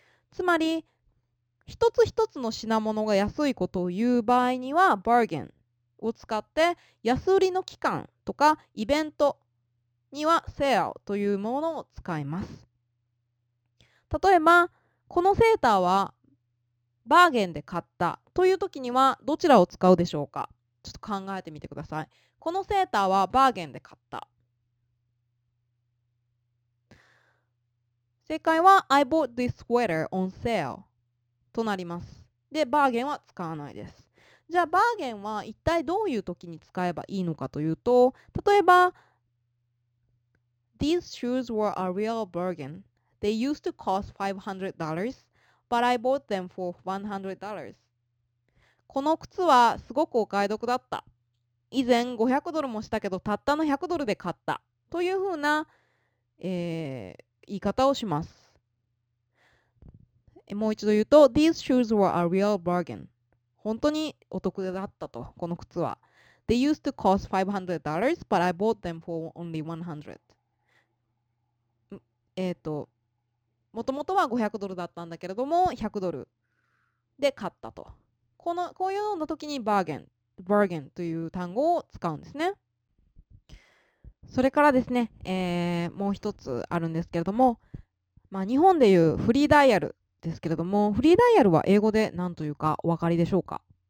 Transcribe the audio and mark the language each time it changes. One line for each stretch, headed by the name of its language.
Japanese: つまり一つ一つの品物が安いことを言う場合には bargain を使って安売りの期間とかイベントには sale というものを使います。例えば、このセーターはバーゲンで買ったという時にはどちらを使うでしょうか。ちょっと考えてみてください。このセーターはバーゲンで買った。正解は
English: I bought this sweater on sale
Japanese: となります。で、バーゲンは使わないです。じゃあバーゲンは一体どういう時に使えばいいのかというと、例えば
English: These shoes were a real bargain. They used to cost $500, but I bought them for $100.
Japanese: この靴はすごくお買い得だった。以前500ドルもしたけど、たったの100ドルで買った。というふうな、言い方をします。もう一度言うと、
English: These shoes were a real bargain.
Japanese: 本当にお得だったと、この靴は。
English: They used to cost $500, but I bought them for only $100.
Japanese: もともとは500ドルだったんだけれども100ドルで買ったと、こういうような時にバーゲンという単語を使うんですね。それからですね、もう一つあるんですけれども、まあ、日本でいうフリーダイヤルですけれども、フリーダイヤルは英語で何というかお分かりでしょうか。